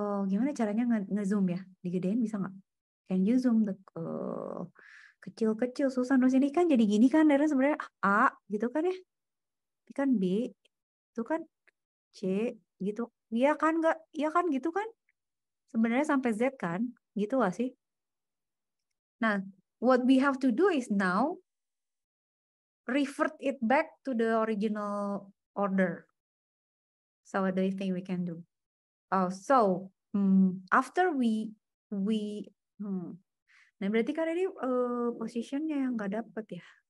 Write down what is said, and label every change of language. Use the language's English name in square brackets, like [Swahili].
[Indonesian] Gimana caranya nge-zoom ya? Digedein bisa nggak? [English] Can you zoom the [Indonesian] kecil-kecil susah dong sini kan jadi gini kan Darren sebenarnya A gitu kan ya. Ini kan B itu kan C gitu. Iya kan enggak? Iya kan gitu kan? Sebenarnya sampai Z kan? Gitu lah sih. [English] Nah, what we have to do is now revert it back to the original order. So what do you think we can do? Oh, so after we [Indonesian] Nah, berarti kan ini position-nya yang nggak dapet ya.